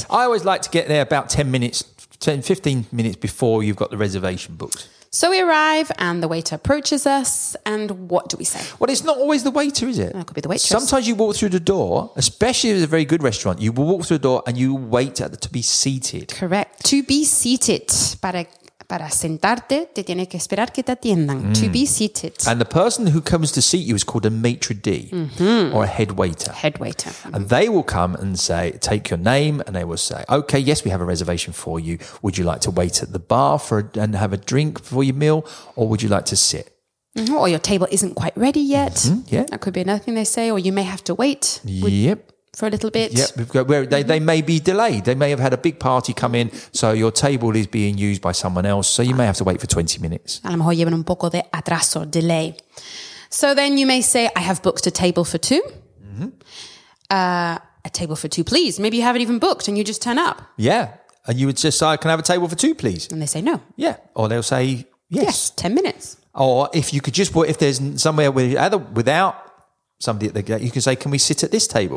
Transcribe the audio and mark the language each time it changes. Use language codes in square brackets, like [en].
[en] I always like to get there about 10, 15 minutes before you've got the reservation booked. So we arrive and the waiter approaches us. And what do we say? Well, it's not always the waiter, is it? It could be the waitress. Sometimes you walk through the door, especially if it's a very good restaurant, you walk through the door and you wait at the, to be seated. Correct. To be seated. [es] Para sentarte, te tienes que esperar que te atiendan. [en] Mm. To be seated. And the person who comes to seat you is called a maitre d', mm-hmm. or a head waiter. Head waiter. And they will come and say, take your name, and they will say, okay, yes, we have a reservation for you. Would you like to wait at the bar for and have a drink for your meal, or would you like to sit? Mm-hmm. Or your table isn't quite ready yet. Mm-hmm. Yeah. That could be another thing they say, or you may have to wait. Yep. For a little bit. Yeah, we've got where they may be delayed. They may have had a big party come in, so your table is being used by someone else, so you may have to wait for 20 minutes. [es] A lo mejor llevan un poco de atraso, delay. [en] So then you may say, I have booked a table for two. Mm-hmm. A table for two, please. Maybe you haven't even booked and you just turn up. Yeah, and you would just say, can I have a table for two, please? And they say no. Yeah, or they'll say yes. Yes, 10 minutes. Or if you could just, put if there's somewhere with either without somebody at the gate, you can say, can we sit at this table?